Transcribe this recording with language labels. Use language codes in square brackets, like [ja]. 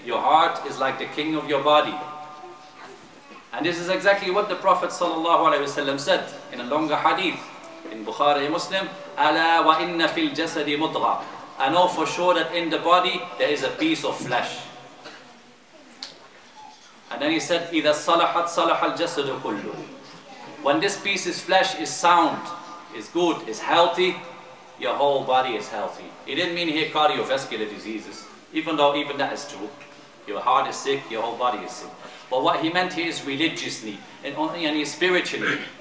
[en] Your heart is like the king of your body. And this is exactly what the Prophet ﷺ said in a longer hadith in Bukhari Muslim. [ar] Ala wa inna fil jasadi mudra. [en] I know for sure that in the body there is a piece of flesh. And then he said, [ar] إِذَا صَلَحَتْ صَلَحَ الْجَسَدُ كُلُّهُ. [en] When this piece of flesh is sound, is good, is healthy, your whole body is healthy. He didn't mean here cardiovascular diseases, even though even that is true. Your heart is sick, your whole body is sick. But what he meant here is religiously, and only and spiritually.